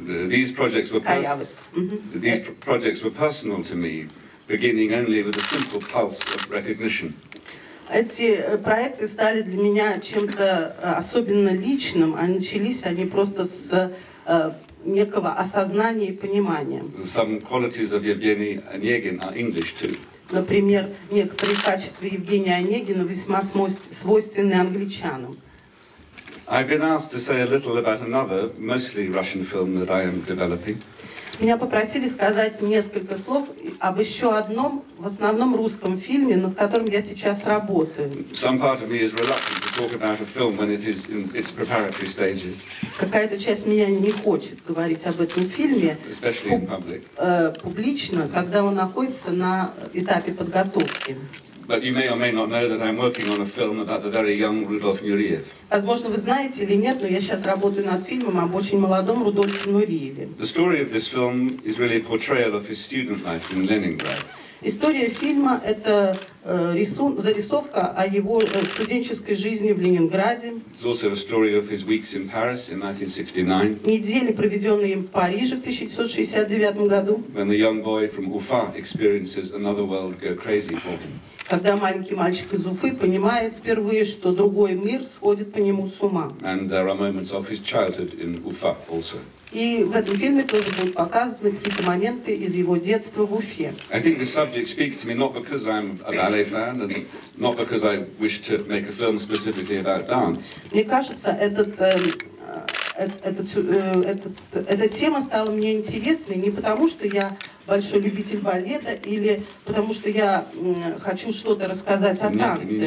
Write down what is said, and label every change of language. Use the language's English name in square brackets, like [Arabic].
[English] These projects were personal to me, beginning only with a simple pulse of recognition. [Russian] Эти проекты стали для меня чем-то особенно личным, а начались они просто с некого осознания и понимания. [English] Some qualities of Yevgeny Onegin are English too. [Russian] Например, некоторые качества Евгения Онегина весьма свойственны англичанам. [English] I've been asked to say a little about another, mostly Russian film that I am developing. [Russian] Меня попросили сказать несколько слов об еще одном, в основном русском фильме, над которым я сейчас работаю. [English] Some part of me is reluctant to talk about a film when it is in its preparatory stages. [Russian] Какая-то часть меня не хочет говорить об этом фильме, [English] especially in public. [Russian] Публично, когда он находится на этапе подготовки. [English] But you may or may not know that I'm working on a film about the very young Rudolf Nureyev. [Russian] Возможно, вы знаете или нет, но я сейчас работаю над фильмом об очень молодом Рудольфе Нурееве. [English] The story of this film is really a portrayal of his student life in Leningrad. [Russian] История фильма — это зарисовка о его студенческой жизни в Ленинграде. [English] It's also a story of his weeks in Paris in 1969. [Russian] Недели, проведенные им в Париже в 1969 году. [English] When the young boy from Ufa experiences another world go crazy for him. [Russian] Когда маленький мальчик из Уфы понимает впервые, что другой мир сходит по нему с ума. [English] And there are moments of his childhood in Ufa also. [Russian] И в этом фильме тоже будут показаны какие-то моменты из его детства в Уфе. [English] I think the subject speaks to me not because I'm a ballet fan and not because I wish to make a film specifically about dance. [Russian] Мне кажется, эта тема стала мне интересной не потому, что я большой любитель балета или потому, что я хочу что-то рассказать о танце.